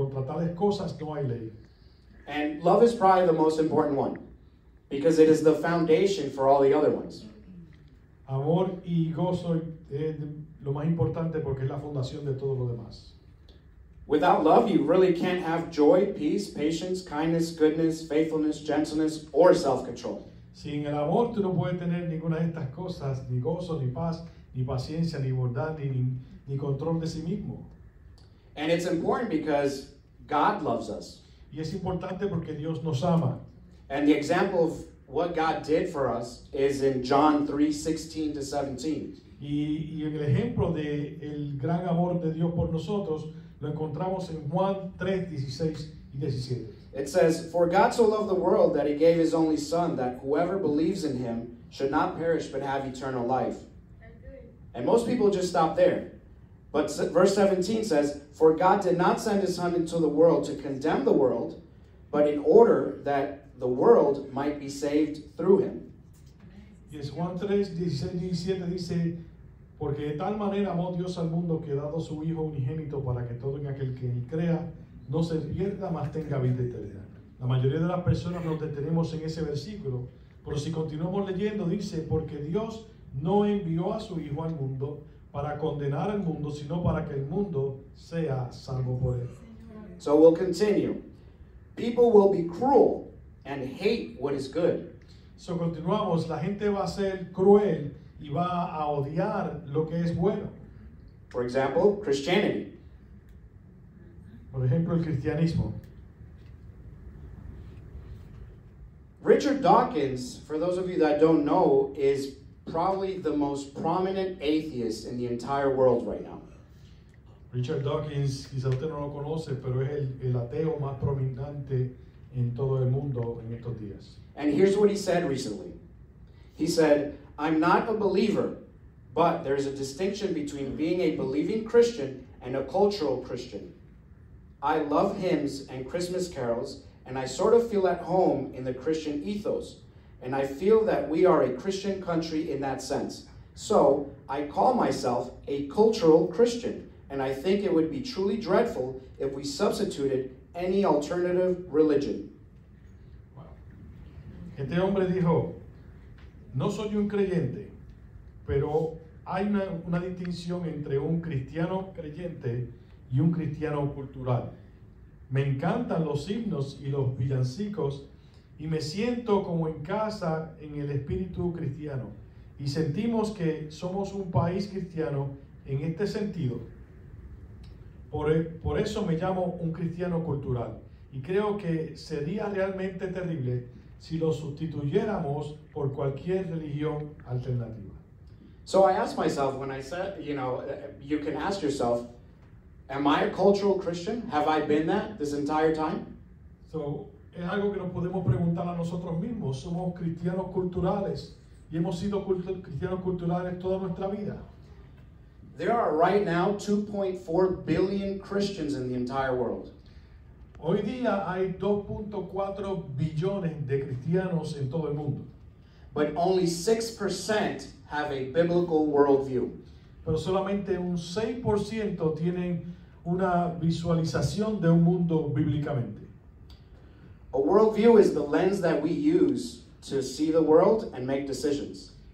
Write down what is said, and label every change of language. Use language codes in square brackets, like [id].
[es] Contra tales cosas no hay ley. [en] And love is probably the most important one because it is the foundation for all the other ones. [es] Amor y gozo lo más importante porque es la fundación de todo lo demás. [en] Without love, you really can't have joy, peace, patience, kindness, goodness, faithfulness, gentleness, or self-control. [es] Sin el amor, tú no puedes tener ninguna de estas cosas, ni gozo, ni paz, ni paciencia, ni bondad, ni control de sí mismo. [en] And it's important because God loves us. [es] Y es importante porque Dios nos ama. [en] And the example of what God did for us is in John 3:16-17. [es] Y el ejemplo de el gran amor de Dios por nosotros lo encontramos en Juan 3:16-17. [en] It says, "For God so loved the world that he gave his only son, that whoever believes in him should not perish but have eternal life." And most people just stop there. But verse 17 says, "For God did not send his son into the world to condemn the world, but in order that the world might be saved through him." [es] Yes, Juan 3:16-17 dice, "Porque de tal manera amó Dios al mundo que ha dado su Hijo unigénito para que todo en aquel que crea no se pierda, mas tenga vida eterna." La mayoría de las personas nos detenemos en ese versículo, pero si continuamos leyendo, dice, "Porque Dios no envió a su Hijo al mundo para condenar al mundo, sino para que el mundo sea salvo por él." [en] So we'll continue. People will be cruel and hate what is good. [es] So continuamos. La gente va a ser cruel y va a odiar lo que es bueno. [en] For example, Christianity. [es] Por ejemplo, el cristianismo. [en] Richard Dawkins, for those of you that don't know, is probably the most prominent atheist in the entire world right now. [es] Richard Dawkins, quizá usted no lo conoce, pero es el ateo más prominente en todo el mundo en estos días. [en] And here's what he said recently. He said, "I'm not a believer, But there is a distinction between being a believing Christian and a cultural Christian. I love hymns and Christmas carols, and I sort of feel at home in the Christian ethos. And I feel that we are a Christian country in that sense. So I call myself a cultural Christian, and I think it would be truly dreadful if we substituted any alternative religion. [es] Este hombre dijo, no soy un creyente, pero hay una distinción entre un cristiano creyente y un cristiano cultural. Me encantan los himnos y los villancicos y me siento como en casa en el espíritu cristiano. Y sentimos que somos un país cristiano en este sentido. Por eso me llamo un cristiano cultural. Y creo que sería realmente terrible si lo sustituyéramos por cualquier religión alternativa. [en] So I asked myself when I said, you know, you can ask yourself, am I a cultural Christian? Have I been that this entire time? [es] So, es algo que nos podemos preguntar a nosotros mismos. Somos cristianos culturales y hemos sido cristianos culturales toda nuestra vida. [en] There are right now 2.4 billion Christians in the entire world. [es] Hoy día hay 2.4 billones de cristianos en todo el mundo. [en] But only 6% have a biblical worldview. [es] Pero solamente un 6% tienen una visualización de un mundo bíblicamente. [en] A worldview is the lens that we use to see the world and make decisions.